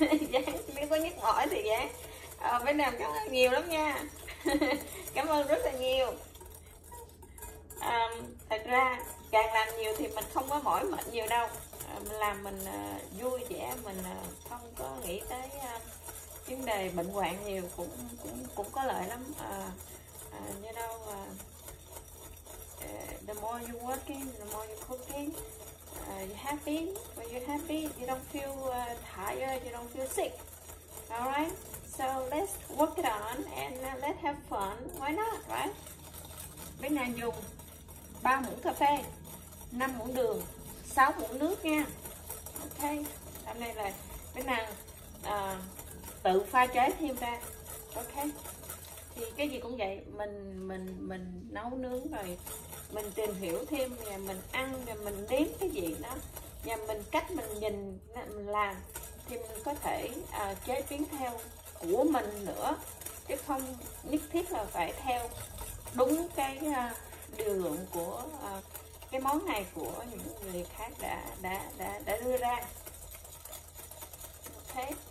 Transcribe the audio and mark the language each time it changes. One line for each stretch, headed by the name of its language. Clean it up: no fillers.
Vietnamese: Dán nếu có nhắc hỏi thì dán. Bên nàng cảm ơn nhiều lắm nha. Cảm ơn rất là nhiều. Thật ra càng làm nhiều thì mình không có mỏi mệt nhiều đâu. Mình làm mình vui vẻ, mình không có nghĩ tới vấn đề bệnh hoạn nhiều, cũng có lợi lắm. Như đâu
English: the more you working, the more you cooking, you happy, when you happy, you don't feel tired, you don't feel sick. Alright, so let's work it on and let's have fun. Why not, right?
Vietnamese: Bên nhà dùng 3 muỗng cà phê, 5 muỗng đường, 6 muỗng nước nha. Ok, hôm nay là bên nào tự pha chế thêm ra. Ok, thì cái gì cũng vậy, mình nấu nướng rồi mình tìm hiểu thêm, và mình ăn rồi mình nếm cái gì đó, và mình cách mình nhìn mình làm thì mình có thể chế biến theo của mình nữa, chứ không nhất thiết là phải theo đúng cái điều lượng của cái món này của những người khác đã đưa ra. Ok.